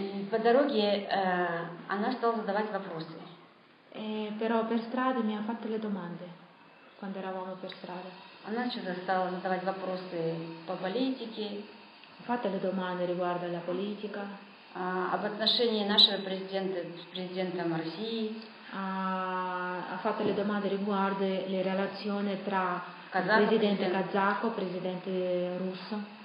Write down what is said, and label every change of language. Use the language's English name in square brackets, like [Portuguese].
[Russian] По дороге она стала задавать вопросы. [Italian] Però per strada mi ha fatto le domande quando eravamo per strada. [Russian] Она что-то стала задавать вопросы по политике. [Italian] Fatte le domande riguardo alla politica. [Russian] Об отношении нашего президента с президентом России. [Italian] Ha fatto le domande riguardo le relazioni tra presidente kazako, presidente russo.